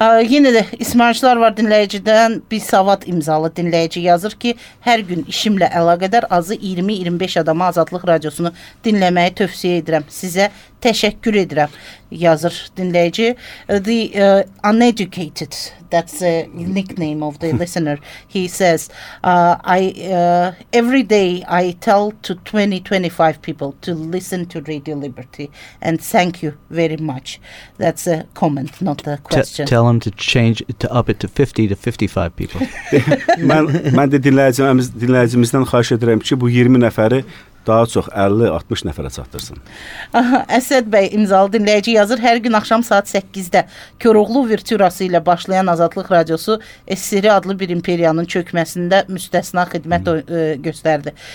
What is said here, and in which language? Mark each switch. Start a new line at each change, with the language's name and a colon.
Azerbaijani: Yenə də ismarçılar var dinləyicidən. Bir savad imzalı dinləyici yazır ki, hər gün işimlə əlaqədar azı 20-25 adama Azadlıq Radiosunu dinləməyi tövsiyə edirəm. Sizə təşəkkür edirəm, yazır dinləyici.
English: The uneducated, that's the nickname of the listener. He says, every day I tell to 20-25 people to listen to Radio Liberty and thank you very much. That's a comment, not a question. Tell him to change to up it to 50-55 people.
Azerbaijani: Mən də dinləyicimizdən xahiş edirəm ki, bu 20 nəfəri daha çox 50-60 nəfərə çatdırsın. Əsəd bəy imzalı dinləyici yazır, hər gün axşam saat 8-də Koroğlu virtürası ilə başlayan Azadlıq Radiosu SSRİ adlı bir imperiyanın çökməsində müstəsna xidmət göstərdi.